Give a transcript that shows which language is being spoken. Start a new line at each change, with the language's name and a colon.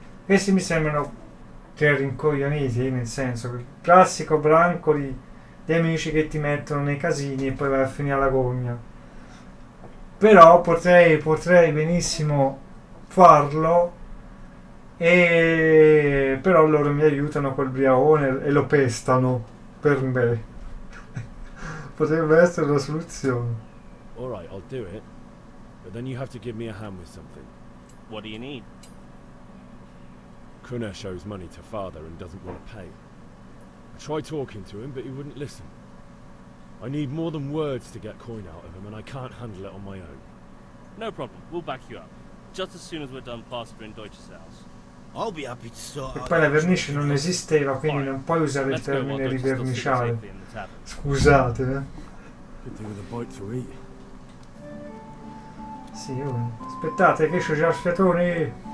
Italian: Questi mi sembrano te rincoglioniti, nel senso, il classico branco di amici che ti mettono nei casini e poi vai a finire la gogna. Però potrei benissimo farlo, e però loro mi aiutano col briaone e lo pestano per me. Potrebbe essere una soluzione.
English: All right, I'll do it. But then you have to give me a hand with something. What do you need? Kunesh owes money to father and doesn't want to pay. I tried talking to him, but he wouldn't listen. I need more than words to get coin out of him, and I can't handle it on my own. No problem. We'll back you up. Just as soon as we're done plastering Deutsch's house. I'll be happy to start.
Italian: E poi la vernice non esisteva, quindi non puoi usare il termine riverniciare. Scusate,
English: Could do with a bite to eat.
Italian: Sì, aspettate, che c'ho già il fiatone.